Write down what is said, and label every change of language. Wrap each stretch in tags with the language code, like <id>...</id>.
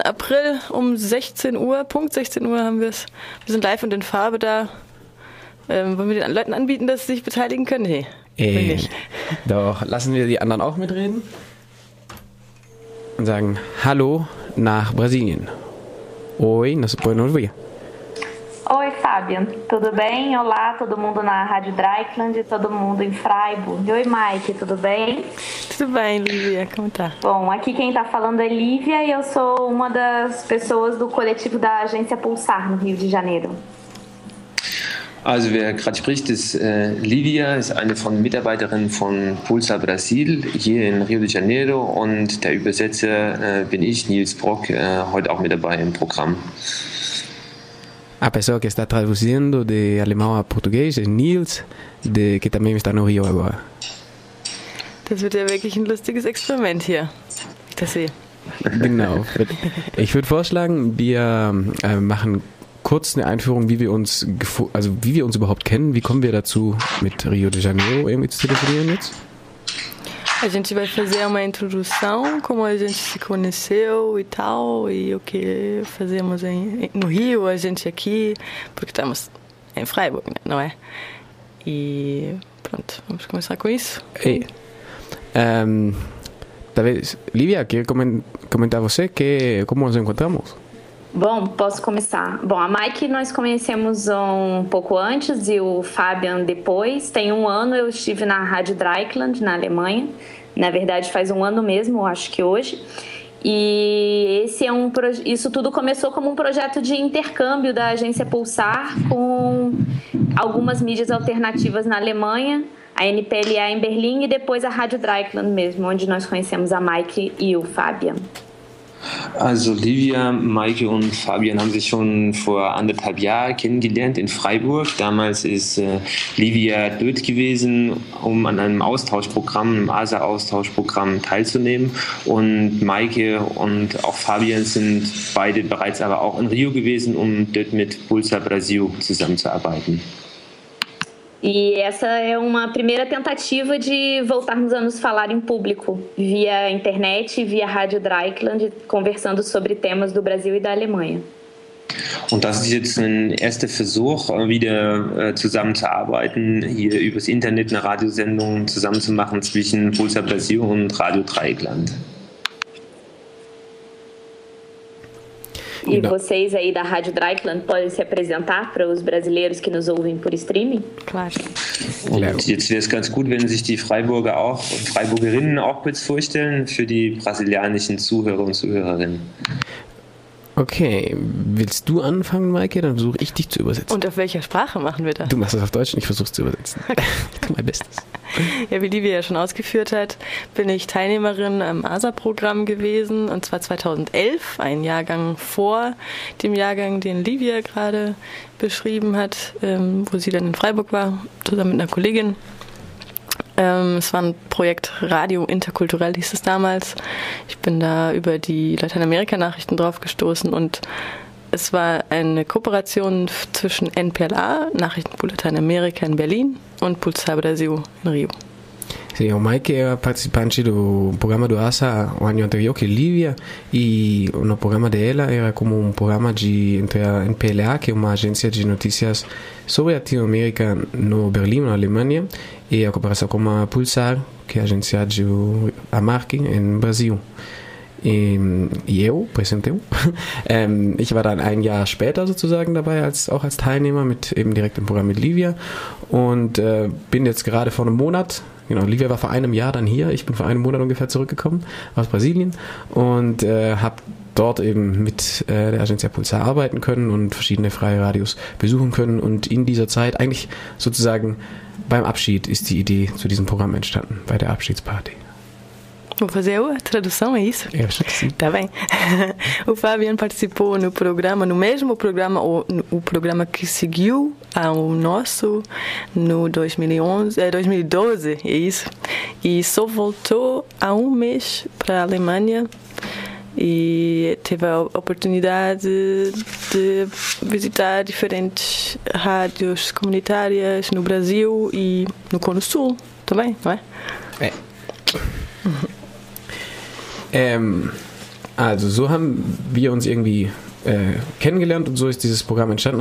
<de>April um 16 Uhr, Punkt 16 Uhr haben wir es. Wir sind live und in Farbe da. Wollen wir den Leuten anbieten, dass sie sich beteiligen können? Nee, doch, lassen wir die anderen auch mitreden. Und sagen Hallo nach Brasilien.</de> <pt>Oi, nosso bueno dia. Oi, Fábio. Tudo bem? Olá, todo mundo na Rádio Dreieckland e todo mundo em Freiburg. Oi, Mike, tudo bem? Tudo bem, Lívia. Como tá? Bom, aqui quem tá falando é Lívia e eu sou uma das pessoas do coletivo da agência Pulsar no Rio de Janeiro.</pt> <de>Also, wer gerade spricht, ist Lívia, ist eine von Mitarbeiterinnen von Pulsar Brasil hier in Rio de Janeiro. Und der Übersetzer bin ich, Nils Brock, heute auch mit dabei im Programm.</de> <pt>A pessoa que está traduzindo de alemão a português é Nils, que também está no Rio agora.</pt> <de>Das wird ja wirklich ein lustiges Experiment hier, das sehe. Genau. Ich würde vorschlagen, wir machen kurz eine Einführung, wie wir uns überhaupt kennen. Wie kommen wir dazu, mit Rio de Janeiro irgendwie zu telefonieren jetzt?</de> <pt>A gente vai fazer uma introdução, como a gente se conheceu e tal, e o que fazemos no Rio, a gente aqui, porque estamos em Freiburg, né? Não é? E pronto, vamos começar com isso. Ei. Talvez, Lívia, quer comentar você que como nos encontramos? Bom, posso começar. Bom, a Mike nós conhecemos um pouco antes e o Fabian depois. Tem um ano eu estive na Rádio Dreieckland, na Alemanha. Na verdade, faz um ano mesmo, acho que hoje. E esse é um isso tudo começou como um projeto de intercâmbio da agência Pulsar com algumas mídias alternativas na Alemanha, a NPLA em Berlim e depois a Rádio Dreieckland mesmo, onde nós conhecemos a Mike e o Fabian.</pt> <de>Also Lívia, Maike und Fabian haben sich schon vor anderthalb Jahren kennengelernt in Freiburg. Damals ist Lívia dort gewesen, um an einem Austauschprogramm, einem ASA-Austauschprogramm teilzunehmen. Und Maike und auch Fabian sind beide bereits aber auch in Rio gewesen, um dort mit Pulsar Brasil zusammenzuarbeiten.</de> <pt>E essa é uma primeira tentativa de voltarmos a nos falar em público, via internet, via Rádio Dreieckland, conversando sobre temas do Brasil e da Alemanha.</pt> <de>Und das ist jetzt ein erster Versuch, wieder zusammenzuarbeiten, hier übers Internet eine Radiosendung zusammenzumachen zwischen Pulsar Brasil und Rádio Dreieckland.</de> <pt>E vocês aí da Rádio Dreieckland podem se apresentar para os brasileiros que nos ouvem por streaming? Claro.</pt> <de>Und jetzt wäre es ganz gut, wenn sich die Freiburger auch, Freiburgerinnen auch kurz vorstellen für die brasilianischen Zuhörer und Zuhörerinnen. Okay, willst du anfangen, Maike? Dann versuche ich dich zu übersetzen. Und auf welcher Sprache machen wir das? Du machst es auf Deutsch und ich versuche es zu übersetzen. Okay. Ich tue mein Bestes. Ja, wie Lívia ja schon ausgeführt hat, bin ich Teilnehmerin am ASA-Programm gewesen. Und zwar 2011, ein Jahrgang vor dem Jahrgang, den Lívia gerade beschrieben hat, wo sie dann in Freiburg war, zusammen mit einer Kollegin. Es war ein Projekt Radio Interkulturell, hieß es damals. Ich bin da über die Lateinamerika-Nachrichten drauf gestoßen und es war eine Kooperation zwischen NPLA, Nachrichten für Lateinamerika in Berlin, und Pulsar Brasil in Rio.</de> <pt>Sim, o Mike era participante do programa do ASA o ano anterior, que é Lívia, e no programa dela era como um programa de entre a NPLA, que é uma agência de notícias sobre a Latinoamérica no Berlim, na Alemanha, e a cooperação com a Pulsar, que é a agência de a marca em Brasil. E eu,</pt> <de>Präsentium, ich war dann ein Jahr später sozusagen dabei, auch als Teilnehmer, mit eben direkt im Programm mit Lívia, und bin jetzt gerade vor einem Monat. Genau, Lívia war vor einem Jahr dann hier. Ich bin vor einem Monat ungefähr zurückgekommen aus Brasilien und habe dort eben mit der Agencia Pulsar arbeiten können und verschiedene freie Radios besuchen können. Und in dieser Zeit, eigentlich sozusagen beim Abschied, ist die Idee zu diesem Programm entstanden, bei der Abschiedsparty.</de> <pt>Vou fazer a tradução, é isso? Eu acho que sim. Tá bem. O Fabian participou no programa, no mesmo programa, o programa que seguiu ao nosso, no 2012, é isso. E só voltou há um mês para a Alemanha, e teve a oportunidade de visitar diferentes rádios comunitárias no Brasil e no Cono Sul também, não é? É.</pt> <de>Also so haben wir uns irgendwie kennengelernt und so ist dieses Programm entstanden.</de>